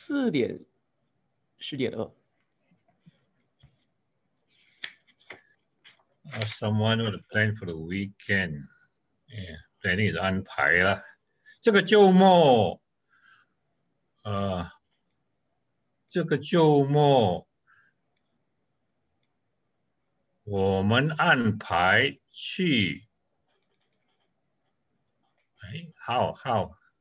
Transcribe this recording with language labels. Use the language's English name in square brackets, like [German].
[Chinese] 你在健身房，我可以一边健身一边练习汉语。练习汉语。在健身房，可以，我可以一边健身一边练习中文。练习中文。嗯，好的，还可以。四点，10:02。 [English] Someone would plan for the weekend. Yeah, planning is 安排 lah. [Chinese] 这个周末, 这个周末, 我们安排去, [English] how, how?